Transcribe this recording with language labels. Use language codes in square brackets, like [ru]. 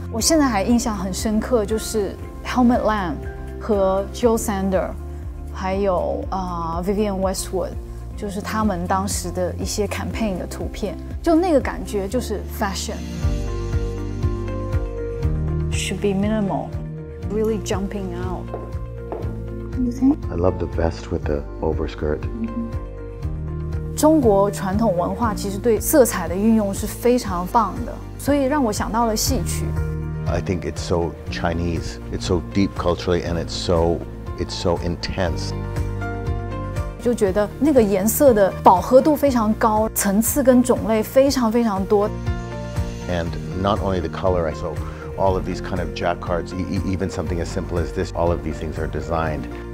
[zh] 我现在还印象很深刻，就是 Helmut Lang 和 Jill Sander， 还有Vivienne Westwood， 就是他们当时的一些 campaign 的图片，就那个感觉就是 fashion。 [en] Should be minimal, really jumping out. I love the vest with the overskirt. [zh] 中国传统文化其实对色彩的运用是非常棒的，所以让我想到了戏曲。 [en] I think it's so Chinese, it's so deep culturally, and it's so intense. [zh] 就觉得那个颜色的饱和度非常高，层次跟种类非常非常多。 [en] And not only the color, I saw. All of these kind of jacquards, even something as simple as this, all of these things are designed.